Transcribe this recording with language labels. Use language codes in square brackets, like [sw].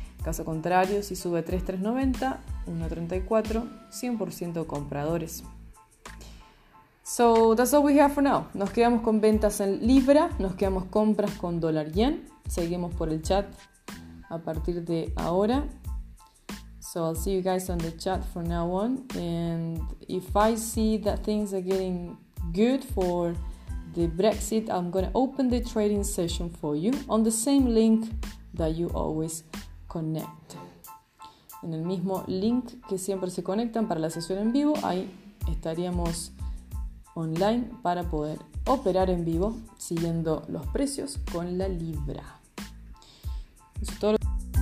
[es] Caso contrario, si sube 3,390, 1,34, 100% compradores. [en] So, that's all we have for now. [es] Nos quedamos con ventas en libra, nos quedamos compras con dólar yen. Seguimos por el chat a partir de ahora. [en] So I'll see you guys on the chat from now on. And if I see that things are getting good for the Brexit, I'm going to open the trading session for you on the same link that you always connect. [es] En el mismo link que siempre se conectan para la sesión en vivo, ahí estaríamos online para poder operar en vivo siguiendo los precios con la libra. Eso es todo.